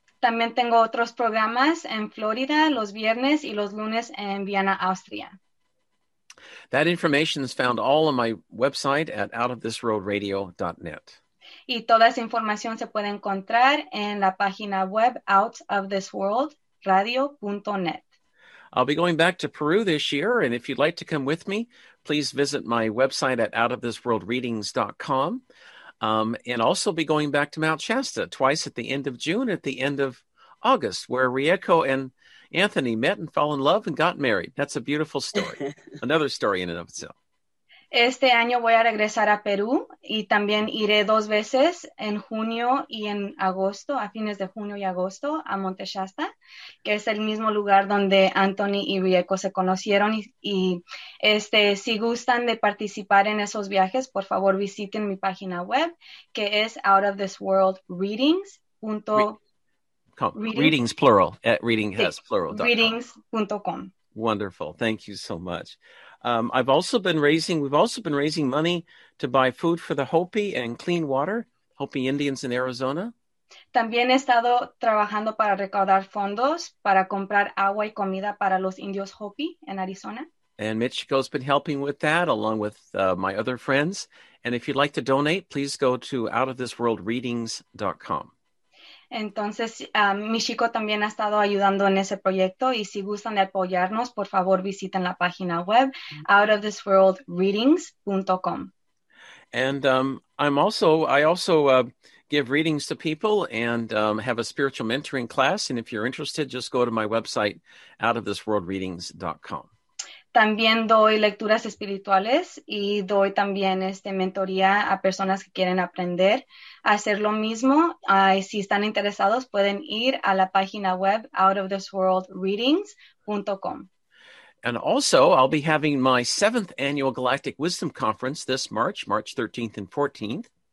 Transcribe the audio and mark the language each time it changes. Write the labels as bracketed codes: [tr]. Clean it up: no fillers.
[es] También tengo otros programas en Florida los viernes y los lunes en Vienna, Austria. [en] That information is found all on my website at outofthisworldradio.net. [es] Y toda esa información se puede encontrar en la página web outofthisworldradio.net. [en] I'll be going back to Peru this year, and if you'd like to come with me, please visit my website at outofthisworldreadings.com. And also be going back to Mount Shasta twice at the end of June, at the end of August, where Reiko and Anthony met and fell in love and got married. That's a beautiful story. Another story in and of itself. [es] Este año voy a regresar a Perú y también iré dos veces en junio y en agosto, a fines de junio y agosto, a Monte Shasta, que es el mismo lugar donde Anthony y Reiko se conocieron. Y si gustan de participar en esos viajes, por favor visiten mi página web, que es outofthisworldreadings.com. [en] Readings plural. Reading has plural. Readings.com. Wonderful. Thank you so much. We've also been raising money to buy food for the Hopi and clean water, Hopi Indians in Arizona. [es] También he estado trabajando para recaudar fondos para comprar agua y comida para los indios Hopi en Arizona. [en] And Michiko's been helping with that along with my other friends. And if you'd like to donate, please go to outofthisworldreadings.com. [es] Entonces, Michiko también ha estado ayudando en ese proyecto, y si gustan de apoyarnos, por favor visiten la página web outofthisworldreadings.com. [en] And I also give readings to people and have a spiritual mentoring class, and if you're interested, just go to my website outofthisworldreadings.com. [es] También doy lecturas espirituales y doy también mentoría a personas que quieren aprender a hacer lo mismo. Si están interesados, pueden ir a la página web outofthisworldreadings.com. [en] And also, I'll be having my 7th annual Galactic Wisdom Conference this March, March 13th and 14th.